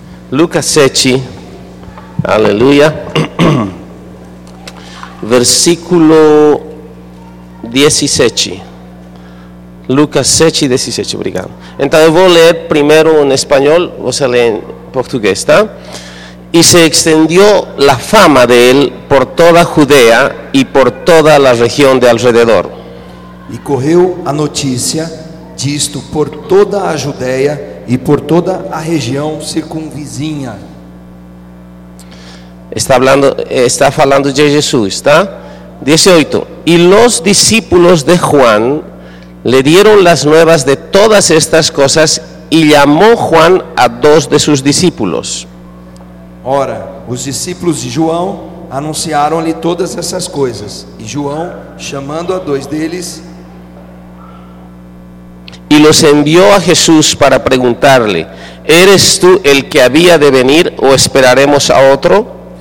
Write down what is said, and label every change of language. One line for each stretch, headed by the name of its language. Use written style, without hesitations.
Portuguese: Lucas 7, aleluia, versículo 17, Lucas 7, 17, obrigado. Então eu vou ler primeiro em espanhol, você lê em português, tá?
Spanish: E se extendió la fama de él por toda Judea y por toda la región de alrededor.
Portuguese: E correu a notícia disto por toda a Judeia e por toda a região circunvizinha. Está falando de Jesus, tá? 18.
Spanish: E los discípulos de Juan le dieron las nuevas de todas estas cosas y llamó Juan a dos de sus discípulos.
Portuguese: Ora, os discípulos de João anunciaram-lhe todas essas coisas, e João, chamando a dois deles,
Spanish: y los envió a Jesús para preguntarle: ¿Eres tú el que había de venir o esperaremos a otro?